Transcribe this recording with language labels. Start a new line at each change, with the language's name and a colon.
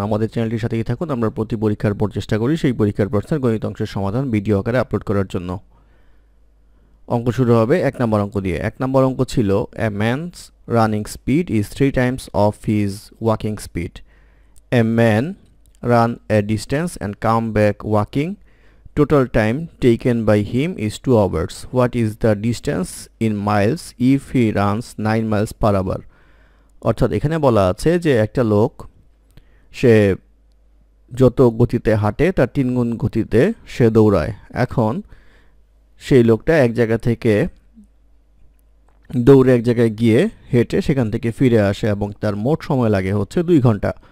Bangla: আমাদের চ্যানেলটির সাথেই থাকুন, আমরা প্রতি পরীক্ষার পর চেষ্টা করি সেই পরীক্ষার প্রশ্নের গণিত অংশের সমাধান ভিডিও আকারে আপলোড করার জন্য। অঙ্ক শুরু হবে এক নম্বর অঙ্ক দিয়ে। এক নম্বর অঙ্ক ছিল
English: A man's running speed is three times of his walking speed. A man ran a distance and come back walking. Total time taken by him is 2 hours. What is the distance in miles if he runs 9 miles per hour?
Bangla: অর্থাৎ এখানে বলা আছে যে একটা লোক সে যত গতিতে হাঁটে তার তিন গুণ গতিতে সে দৌড়ায়। এখন সেই লোকটা এক জায়গা থেকে দৌড়ে এক জায়গায় গিয়ে হেঁটে সেখান থেকে ফিরে আসে এবং তার মোট সময় লাগে হচ্ছে 2 ঘন্টা।